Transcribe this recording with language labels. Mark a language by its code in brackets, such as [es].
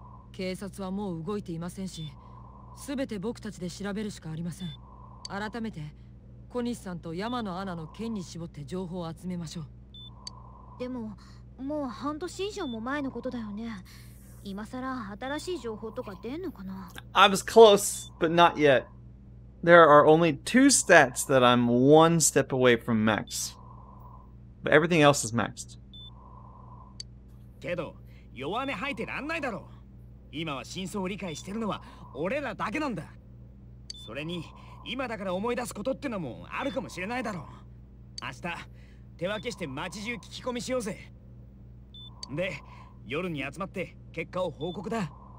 [ja] 警察はもう動いていませんし、すべて僕たちで調べるしかありません。改めて小西さんと山野アナの件に絞って情報を集めましょう。でももう半年以上も前のことだよね。今さら新しい情報とか出んのかな。 [en] I was close, but not yet. There are only two stats that I'm one step away from max. But everything else is maxed. [ja] けど弱音吐いてらんないだろ。今は真相を理解してるのは俺らだけなんだ。それに今だから思い出すことってのもあるかもしれないだろう。明日手分けして町中聞き込みしようぜ。で夜に集まって結果を報告だ。